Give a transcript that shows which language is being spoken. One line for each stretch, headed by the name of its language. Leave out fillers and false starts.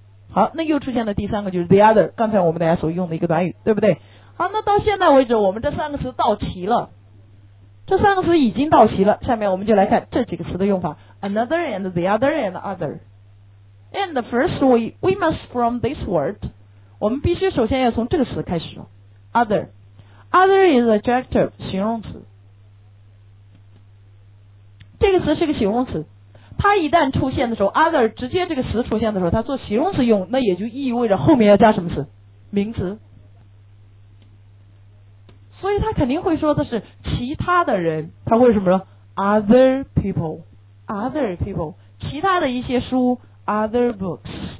Chinese: 好，那又出现了第三个，就是
English: the other，
Chinese: 刚才我们大家所用的一个短语，对不对？好，那到现在为止我们这三个词到齐了，这三个词已经到齐了，下面我们就来看这几个词的用法。
English: Another and the other and other。 And the first we must from this word，
Chinese: 我们必须首先要从这个词开始。
English: Other， Other is adjective，
Chinese: 形容词。这个词是个形容词，它一旦出现的时候， Other 直接这个词出现的时候，它做形容词用，那也就意味着后面要加什么词？名词。所以他肯定会说的是其他的人，他会什么说
English: other people，
Chinese: 其他的一些书
English: other books。